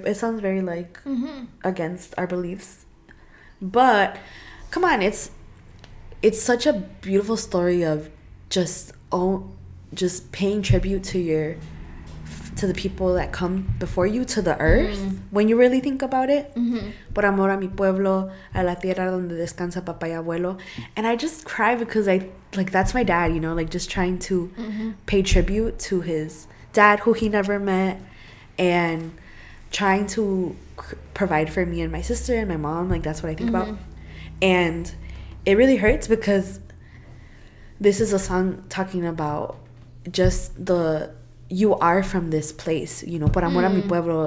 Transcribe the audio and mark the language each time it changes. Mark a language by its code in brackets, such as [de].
[en] It sounds very, like, mm-hmm. against our beliefs. But, come on. It's such a beautiful story of just paying tribute to your... to the people that come before you, to the earth, mm-hmm. when you really think about it. Mm-hmm. [es] Por amor a mi pueblo, a la tierra donde descansa papá y abuelo. [en] And I just cry because I... Like, that's my dad, you know, like, just trying to mm-hmm. pay tribute to his dad, who he never met, and trying to provide for me and my sister and my mom. Like, that's what I think mm-hmm. about. And it really hurts because this is a song talking about just the, you are from this place, you know, Por Amor a Mi Pueblo.